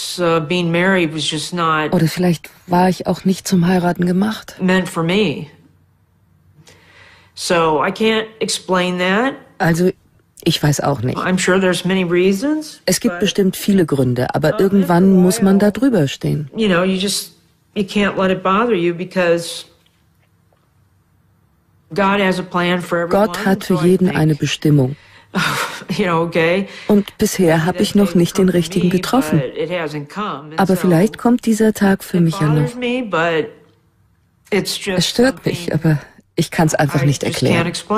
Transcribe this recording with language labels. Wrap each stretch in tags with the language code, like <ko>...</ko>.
<de>Oder vielleicht war ich auch nicht zum Heiraten gemacht.</de> <en>So I can't explain that.</en> <de>Also, ich weiß auch nicht.</de> <en>I'm sure there's many reasons.</en> <de>Es gibt bestimmt viele Gründe, aber irgendwann muss man da drüber stehen.</de> <en>You know, you can't let it bother you because God has a plan for everyone.</en> <de>Gott hat für jeden eine Bestimmung.</de> <en>You know, okay.</en> <de>Und bisher habe ich noch nicht den richtigen getroffen. Aber vielleicht kommt dieser Tag für mich ja noch. Es stört mich, aber ich kann es einfach nicht erklären.</de>